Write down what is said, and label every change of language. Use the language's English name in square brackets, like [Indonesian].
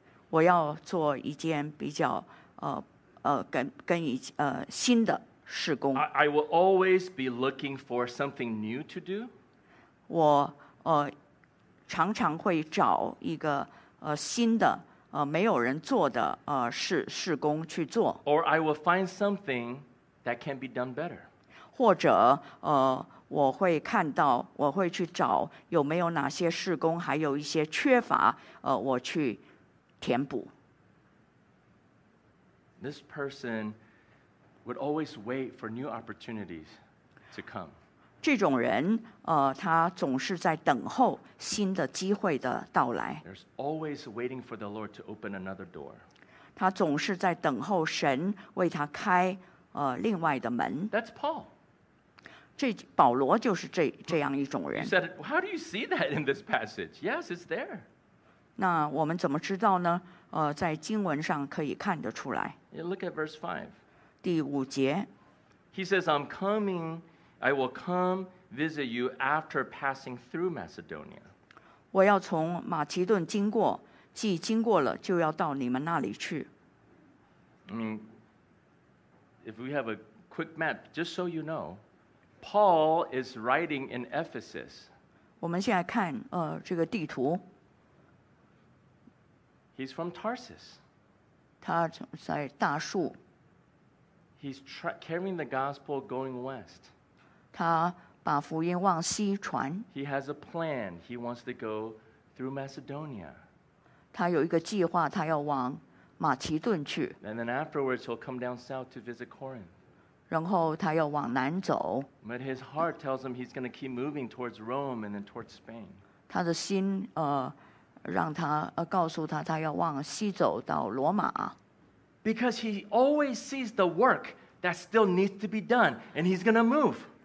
[Chinese] 我要做一件比较跟新的事工。 [English] I will always be looking for something new to do. [Chinese] 我常常会找一个新的没有人做的事工去做。 [English] Or I will find something that can be done better. [Chinese] 或者我会看到，我会去找有没有哪些事工还有一些缺乏我去填补。 [English] This person would always wait for new opportunities to come. [Chinese] 这种人他总是在等候新的机会的到来。 [English] There's always waiting for the Lord to open another door. [Chinese] 他总是在等候神为他开另外的门。 [English] That's Paul. [Chinese] 保罗就是这样一种人。 [English] You said, how do you see that in this passage? Yes, it's there. [Chinese] 那我们怎么知道呢？在经文上可以看得出来。 [English] Look at verse 5. [Chinese] 第五节。 [English] He says, I'm coming, I will come. Visit you after passing through Macedonia. [Chinese] 我要从马其顿经过，既经过了，就要到你们那里去。 [English] I mean, if we have a quick map, just so you know, Paul is writing in Ephesus. [Chinese] 我们现在看这个地图。 [English] He's from Tarsus. [Chinese] 他在大树。 [English] He's carrying the gospel going west. [Chinese] 他把福音往西传。 [English] He has a plan. He wants to go through Macedonia. [Chinese] 他有一个计划，他要往马其顿去。 [English] And then afterwards, he'll come down south to visit Corinth. [Chinese] 然后他要往南走。 [English] But his heart tells him he's going to keep moving towards Rome and then towards Spain. [Chinese] 他的心让他告诉他他要往西走到罗马。 [English] Because he always sees the work that still needs to be done, and he's going to move.